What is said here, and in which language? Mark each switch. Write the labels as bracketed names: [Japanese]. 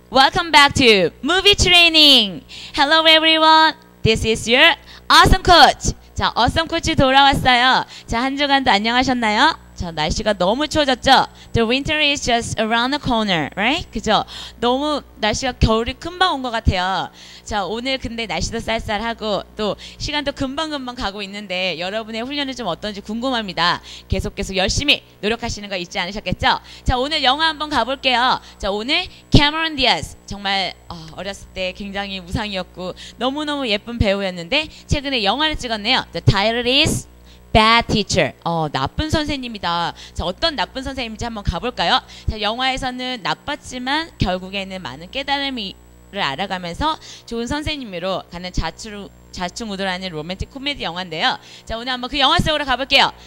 [English] Welcome back to Movie Training. Hello, everyone. This is your awesome coach. [Korean] 자, awesome coach 돌아왔어요. 자, 한 주간도 안녕하셨나요? 자, 날씨가 너무 추워졌죠? [English] The winter is just around the corner, right? [Korean] 그죠? 너무 날씨가 겨울이 금방 온 것 같아요. 자, 오늘 근데 날씨도 쌀쌀하고 또 시간도 금방금방 가고 있는데 여러분의 훈련은 좀 어떤지 궁금합니다. 계속 계속 열심히 노력하시는 거 잊지 않으셨겠죠? 자, 오늘 영화 한번 가볼게요. 자, 오늘 Cameron Diaz. 정말 어렸을 때 굉장히 우상이었고 너무너무 예쁜 배우였는데 최근에 영화를 찍었네요. [English] The title is Bad Teacher. [Korean] 나쁜 선생님이다. 자, 어떤 나쁜 선생님인지 한번 가볼까요? 자, 영화에서는 나빴지만 결국에는 많은 깨달음을 알아가면서 좋은 선생님으로 가는 자충우돌하는 로맨틱 코미디 영화인데요. 자, 오늘 한번 그 영화 속으로 가볼게요.